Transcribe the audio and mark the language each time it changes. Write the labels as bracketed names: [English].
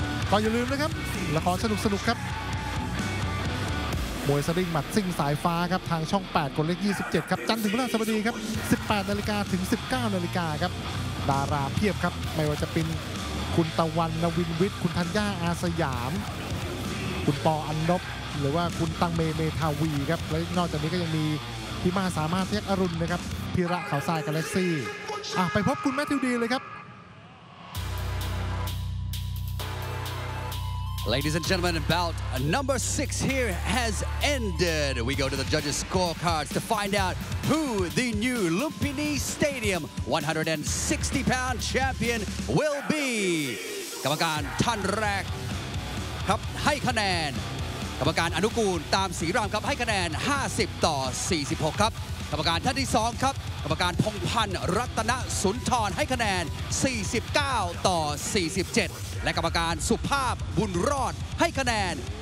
[Thai] ก็อย่าลืมนะครับละครสนุกสนุกครับมวยสลิงหมัดซิ่งสายฟ้าครับทางช่อง8กดเลข27ครับจันทร์ถึงพฤหัสบดีครับ18นาฬิกาถึง19นาฬิกาครับดาราเพียบครับไม่ว่าจะเป็นคุณตะวันนวินวิทย์คุณธัญญาอาสยามคุณปออันนบหรือว่าคุณตังเมเมทาวีครับและนอกจากนี้ก็ยังมีพี่มาสามารถเทคอรุณนะครับพีระเขาทรายกาแล็กซี่ไปพบคุณแมทธิวดีเลยครับ [English] Ladies and gentlemen, bout number 6 here has ended. We go to the judges' scorecards to find outwho the new Lumpini Stadium 160-pound champion will be. [Thai] กรรมการท่านแรกครับให้คะแนนกรรมการอนุกูลตามสีรามครับให้คะแนน50ต่อ46ครับกรรมการท่านที่2ครับกรรมการพงพันธ์รัตนสุนทรให้คะแนน49ต่อ47และกรรมการสุภาพบุญรอดให้คะแนน